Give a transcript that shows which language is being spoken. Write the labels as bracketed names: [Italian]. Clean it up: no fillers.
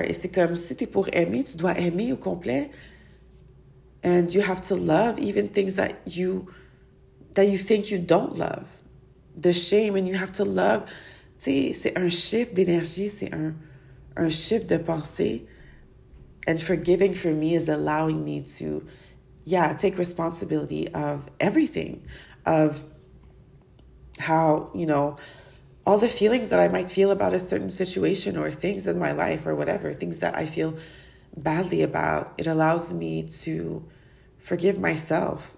[French] Et c'est comme si t'es pour aimer, tu dois aimer au complet. [English] And you have to love even things that you think you don't love. The shame, and you have to love. [French] Tu sais, c'est un shift d'énergie, c'est un shift de pensée. [English] And forgiving for me is allowing me to, yeah, take responsibility of everything, of how, you know, all the feelings that I might feel about a certain situation or things in my life or whatever, things that I feel badly about, it allows me to forgive myself.